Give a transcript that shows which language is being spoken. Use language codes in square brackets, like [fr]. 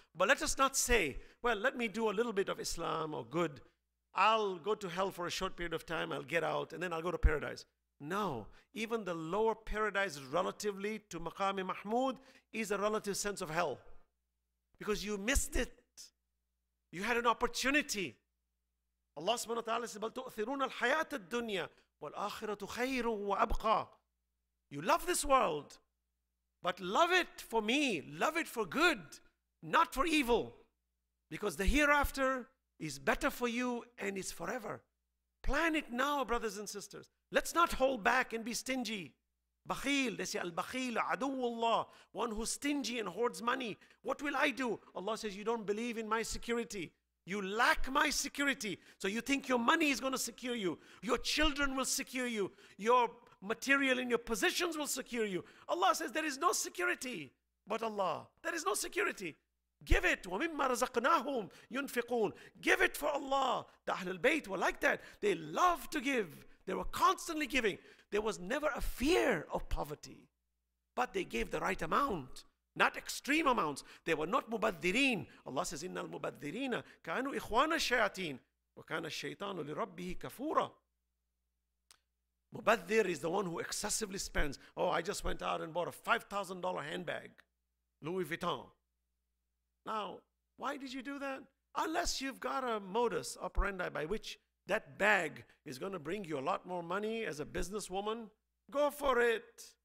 [en] But let us not say, well, let me do a little bit of Islam or good. I'll go to hell for a short period of time. I'll get out and then I'll go to paradise. No, even the lower paradise relatively to Maqami Mahmood is a relative sense of hell. Because you missed it. You had an opportunity. Allah subhanahu wa ta'ala says, [ar] بَلْ تُؤْثِرُونَ الْحَيَاةَ الدُّنْيَا وَالْآخِرَةُ خَيْرٌ وَأَبْقَى. [en] You love this world, but love it for me. Love it for good, not for evil. Because the hereafter is better for you and is forever. Plan it now, brothers and sisters. Let's not hold back and be stingy. [ar] بَخِيل, [en] they say, [ar] الْبَخِيل عَدُوُّ اللَّهِ. [en] One who's stingy and hoards money. What will I do? Allah says, you don't believe in my security. You lack my security. So you think your money is going to secure you. Your children will secure you. Your material and your possessions will secure you. Allah says there is no security but Allah. There is no security. Give it. [ar] وَمِمَّا رَزَقْنَاهُمْ يُنْفِقُونَ. [en] Give it for Allah. The Ahlulbayt were like that. They love to give. They were constantly giving. There was never a fear of poverty. But they gave the right amount. Not extreme amounts. They were not mubaddirin. Allah says, [ar] إِنَّ الْمُبَدِّرِينَ كَانُوا إِخْوَانَ الشَّيَاطِينَ وَكَانَ الشَّيْطَانُ لِرَبِّهِ كَفُورًا. [en] Mubaddir is the one who excessively spends. Oh, I just went out and bought a $5,000 handbag, Louis Vuitton. Now, why did you do that? Unless you've got a modus operandi by which that bag is going to bring you a lot more money as a businesswoman, go for it.